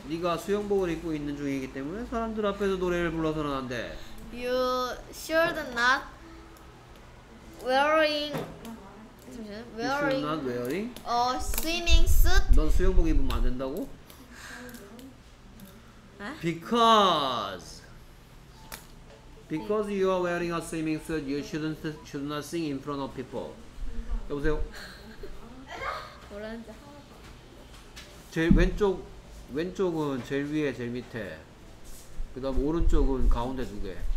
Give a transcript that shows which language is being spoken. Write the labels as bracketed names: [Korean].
[Korean] 네가 수영복을 입고 있는 중이기 때문에 사람들 앞에서 노래를 불러서는 안 돼. [English] You should not wearing. [Korean] 잠시만요. [English] Wearing. A swimming suit. [Korean] 넌 수영복 입으면 안 된다고? 에? [English] Because. Because you are wearing a swimming suit, you should not sing in front of people. [Korean] 여보세요? 뭐라는지 제일 왼쪽은 제일 위에, 제일 밑에. 그 다음 오른쪽은 가운데 두 개.